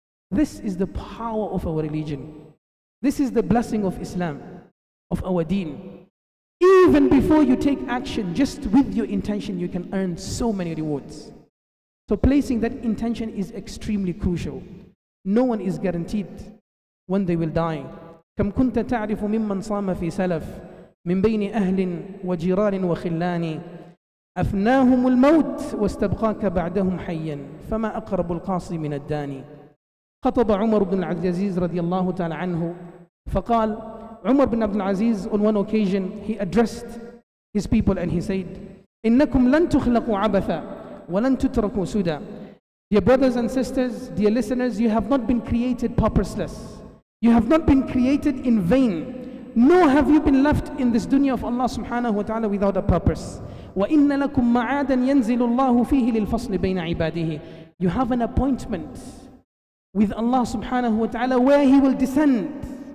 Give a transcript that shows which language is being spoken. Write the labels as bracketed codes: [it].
[en] This is the power of our religion. This is the blessing of Islam, of our deen. Even before you take action, just with your intention, you can earn so many rewards. So placing that intention is extremely crucial. No one is guaranteed when they will die. [ar] كم كنت تعرف ممن صام في سلف من بين أهل وجيران وخلان أفناهم الموت واستبقاك بعدهم حيا فما أقرب القاصي من الداني. خطب عمر بن عبد العزيز رضي الله تعالى عنه فقال, عمر بن عبد العزيز, [en] on one occasion he addressed his people and he said, [ar] إنكم لن تخلقوا عبثا ولن تتركوا سدى. [en] Dear brothers and sisters, dear listeners, you have not been created purposeless. You have not been created in vain, nor have you been left in this dunya of Allah subhanahu wa ta'ala without a purpose. [ar] وَإِنَّ لَكُمْ مَعَادًا يَنزِلُ اللَّهُ فِيهِ لِلْفَصْلِ بَيْنَ عِبَادِهِ, [en] you have an appointment with Allah subhanahu wa ta'ala where He will descend.